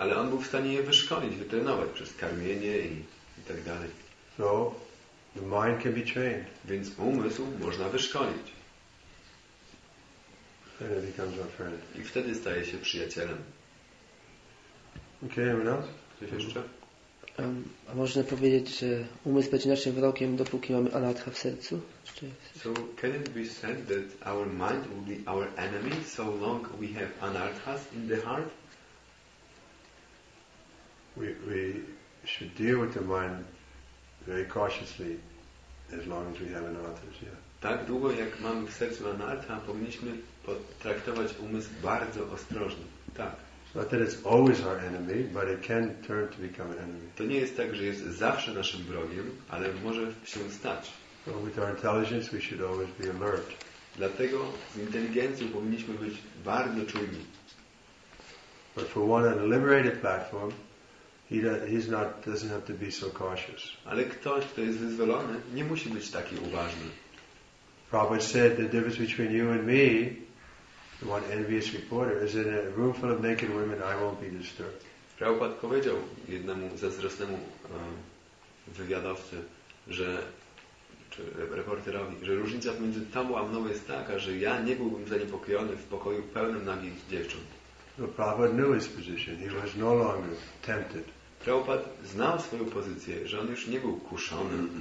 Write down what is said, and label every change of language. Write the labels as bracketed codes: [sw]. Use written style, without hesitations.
[pl] Ale on był w stanie je wyszkolić, wytrenować przez karmienie i tak dalej. [en] So the mind can be trained. [pl] Więc umysł można wyszkolić. [en] And it becomes our friend. [pl] I wtedy staje się przyjacielem. [en] Okay, anyone else? [pl] Ktoś jeszcze? A można powiedzieć, że umysł będzie naszym wrogiem, dopóki mamy anatha w sercu? [en] So can it be said that our mind will be our enemy so long we have anarthas in the heart? We should deal with the mind very cautiously as long as we have anarthas, yeah. [pl] Tak długo, jak mamy w sercu anartha, powinniśmy potraktować umysł bardzo ostrożnie. Tak. [en] Not that it's always our enemy, but it can turn to become an enemy. [pl] To nie jest tak, że jest zawsze naszym wrogiem, ale może się stać. [en] So with our intelligence, we should always be alert. [pl] Dlatego z inteligencją powinniśmy być bardzo czujni. [en] But for one on a liberated platform, he doesn't have to be so cautious. [pl] Ale ktoś, kto jest wyzwolony, nie musi być taki uważny. [en] Prabhupada said the difference between you and me, the one envious reporter, is in a room full of naked women, I won't be disturbed. [pl] Prabhupada powiedział jednemu zazdrosnemu wywiadowcy, czy reporterowi, że różnica między tobą a mną jest taka, że ja nie byłbym zaniepokojony w pokoju pełnym nagich dziewcząt. [en] No, Prabhupada knew his position. He was no longer tempted. [pl] Prabhupada znał swoją pozycję, że on już nie był kuszony.